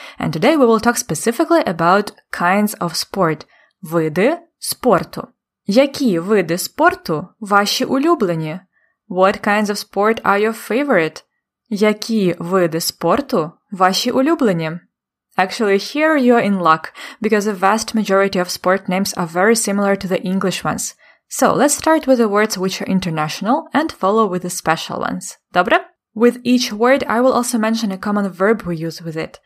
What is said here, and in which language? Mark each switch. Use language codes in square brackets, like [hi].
[en] And today we will talk specifically about kinds of sport. [uk] Види спорту. Які види спорту ваші улюблені? [en] What kinds of sport are your favorite? [uk] Які види спорту ваші улюблені? [en] Actually, here you're in luck, because the vast majority of sport names are very similar to the English ones. So, let's start with the words which are international and follow with the special ones. [uk] Добре? [en] With each word, I will also mention a common verb we use with it.